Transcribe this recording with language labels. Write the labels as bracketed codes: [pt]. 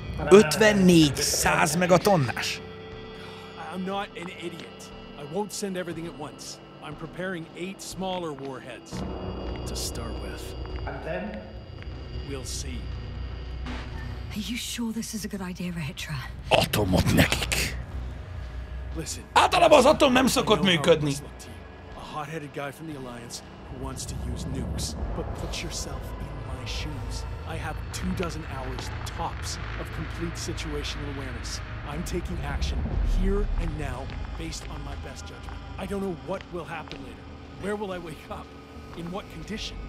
[hu] 54 megatonnás. [en] I'm not an idiot. I won't send everything at once. I'm preparing 8 smaller warheads to start with. And then? We'll see. Are you sure this is a good idea, Rahitra? [hu] Atomot nekik. [en] Listen. [hu] Általában az atom nem szokott működni. [en] A hot-headed guy from the Alliance who wants to use nukes. But put yourself in my shoes. I have 24 hours tops of complete situational awareness. I'm taking action here and now based on my best judgment. I don't know what will happen later. Where will I wake up? In what condition?